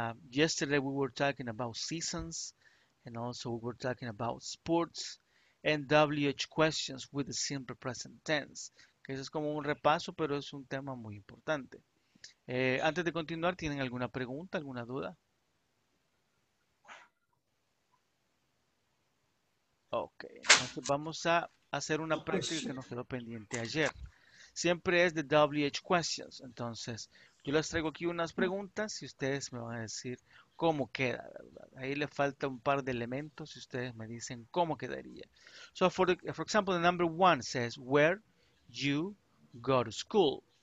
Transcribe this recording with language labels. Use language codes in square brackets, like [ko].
[en] Yesterday we were talking about seasons and also we were talking about sports and WH questions with the simple present tense. [es] Que eso es como un repaso, pero es un tema muy importante. Antes de continuar, ¿tienen alguna pregunta, alguna duda? Ok, entonces vamos a hacer una práctica que nos quedó pendiente ayer. Siempre es de WH questions. Entonces, yo les traigo aquí unas preguntas y ustedes me van a decir cómo queda, ¿verdad? Ahí le falta un par de elementos y ustedes me dicen cómo quedaría. [en] So, for example, the number one says, where you go to school.